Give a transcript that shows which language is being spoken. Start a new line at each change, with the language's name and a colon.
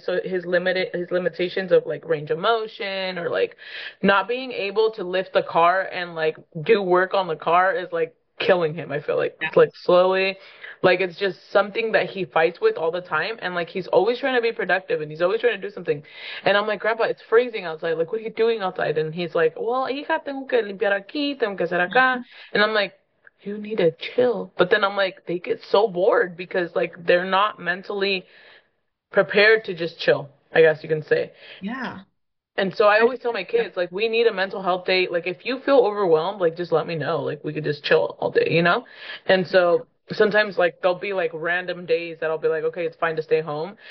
English: So his limitations of like range of motion, or like not being able to lift the car and like do work on the car, is like killing him, I feel like. It's like slowly, like, it's just something that he fights with all the time. And like, he's always trying to be productive, and he's always trying to do something. And I'm like, Grandpa, it's freezing outside. Like, what are you doing outside? And he's like, well,
Spanish: hija, tengo que limpiar aquí, tengo que hacer acá.
English: And I'm like, you need to chill. But then I'm like, they get so bored because like they're not mentally prepared to just chill, I guess you can say. And so I always tell my kids, like, we need a mental health day. Like, if you feel overwhelmed, like, just let me know. Like, we could just chill all day, you know? And so sometimes, like, there'll be like random days that I'll be like, okay, it's fine to stay home.